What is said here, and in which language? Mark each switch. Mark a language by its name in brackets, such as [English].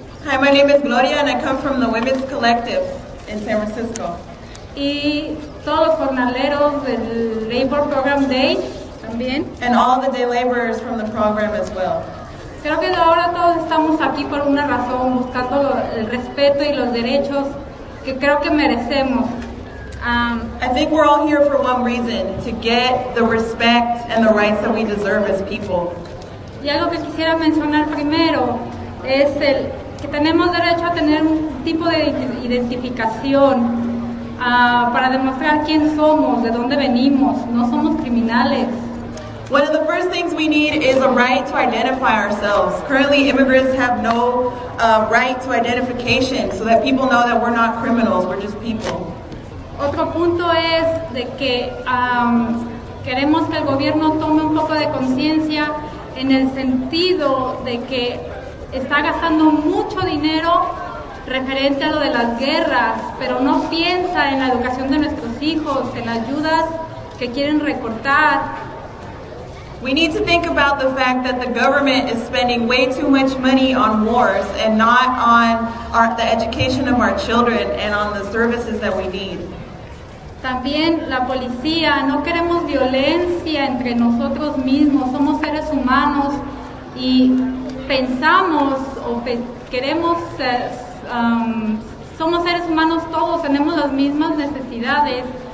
[English] Hi, my name is Gloria and I come from the Women's Collective in San Francisco. [Spanish] Y todos los jornaleros del Labor Program Day también. [English] And all the day laborers from the program as well. [Spanish] Creo que ahora todos estamos aquí por una razón, buscando el respeto y los derechos que creo que merecemos. [English] I think we're all here for one reason, to get the respect and the rights that we deserve as people. [Spanish] Y algo que quisiera mencionar primero es el que tenemos derecho a tener un tipo de identificación. Para demostrar quién somos, de dónde venimos, no somos criminales. [English] One of the first things we need is a right to identify ourselves. Currently, immigrants have no right to identification, so that people know that we're not criminals, we're just people. [Spanish] Otro punto es de que queremos que el gobierno tome un poco de conciencia en el sentido de que está gastando mucho dinero referente a lo de las guerras, pero no piensa en la educación de nuestros hijos, en las ayudas que quieren recortar. [English] We need to think about the fact that the government is spending way too much money on wars and not on the education of our children and on the services that we need. [Spanish] También la policía, no queremos violencia entre nosotros mismos, somos seres humanos y pensamos o queremos ser somos seres humanos todos, tenemos las mismas necesidades.